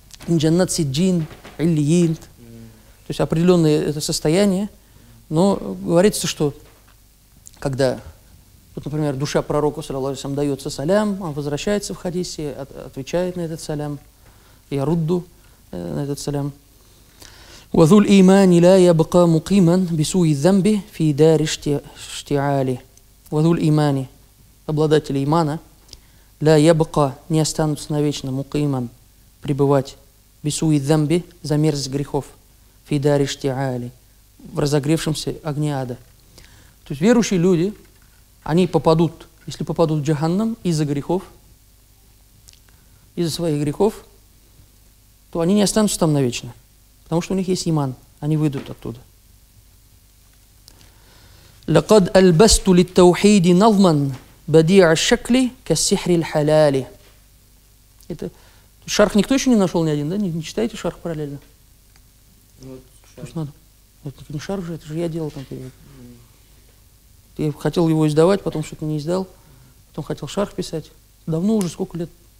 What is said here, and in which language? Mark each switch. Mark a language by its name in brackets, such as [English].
[Russian] Джаннат сиджин, ильильт. То есть определенное это состояние, но говорится, что когда... Вот, например, душа пророка, саллаллаху алейхи ва саллям, дается салям, он возвращается в хадисе, отвечает на этот салям, ярудду на этот салям. [Arabic] وَذُلْ إِمَانِ لَا يَبْقَى مُقِيمًا بِسُوِ الذَّنْبِ فِي دَارِ اشْتِعَالِ وَذُلْ إِمَانِ, [Russian] обладатель имана, ля ябка, не останутся навечно мукиман, пребывать бисуи дзамби, замерзость грехов, фидари штиали, в разогревшемся огне ада. То есть верующие люди, они попадут, если попадут в джаханнам из-за грехов, из-за своих грехов, то они не останутся там навечно, потому что у них есть иман, они выйдут оттуда. [Arabic] لقد ألبست للتوحيد نظما بديع الشكل كالسحر الحلال. [Russian] Это шарх никто еще не нашел ни один, да? Не читайте шарх параллельно. Вот шарх. Надо. Это не шарх же, это же я делал там перевод. Я хотел его издавать, потом что-то не издал. Потом хотел шарх писать. Давно уже, сколько лет?